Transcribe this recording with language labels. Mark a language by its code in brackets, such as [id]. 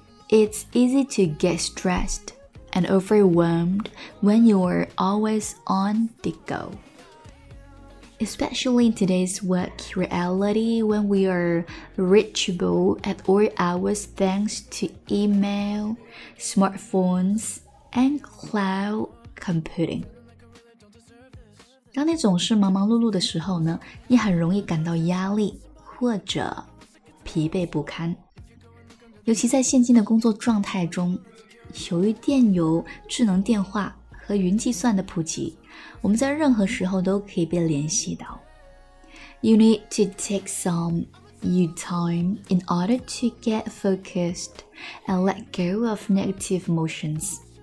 [en] It's easy to get stressed and overwhelmed when you're always on the go. Especially in today's work reality, when we are reachable at all hours thanks to email, smartphones, and cloud computing. [zh] 当你总是忙忙碌碌的时候呢，你很容易感到压力或者疲惫不堪。尤其在现今的工作状态中，由于电邮、智能电话和云计算的普及，我们在任何时候都可以被联系到。 [en] You need to take some you time in order to get focused and let go of negative emotions.